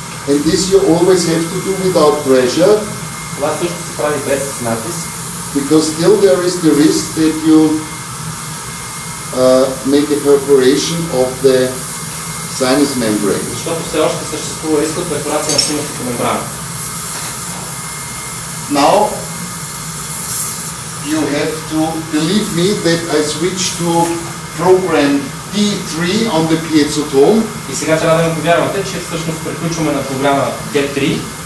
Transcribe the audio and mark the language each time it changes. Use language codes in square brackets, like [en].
[en] And this you always have to do without pressure. [bg] Това също се прави без натиск. [en] Because still there is the risk that you make a perforation of the sinus membrane. [bg] Защото все още съществува риск от перфорация на синусовата мембрана. [en] Now you have to believe me that I switched to program D3 on the piezotome. [bg] И сега трябва да ми повярвате, че всъщност приключваме на програма D3.